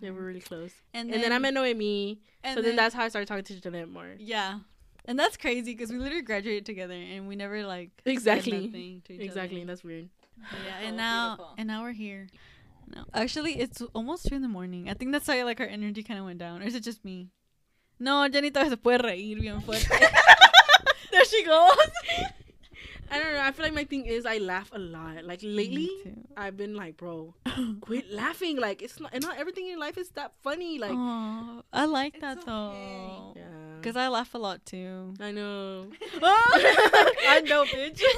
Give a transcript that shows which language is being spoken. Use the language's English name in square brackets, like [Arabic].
[English] They were really close. And then I met Noemi. And so, then that's how I started talking to Jeanette more. Yeah. And that's crazy, because we literally graduated together, and we never, like, exactly. said nothing to each exactly. other. Exactly. That's weird. But yeah, and now beautiful. And now we're here. No, actually, it's almost 2 a.m. I think that's why like our energy kind of went down. Or is it just me? [Spanish] No, Jenita se puede reír bien fuerte. [English] There she goes. I don't know. I feel like my thing is I laugh a lot. Like lately, I've been like, bro, quit laughing. Like it's not everything in your life is that funny. Like, aww, I like that though. Okay. Yeah, because I laugh a lot too. I know. I know, bitch.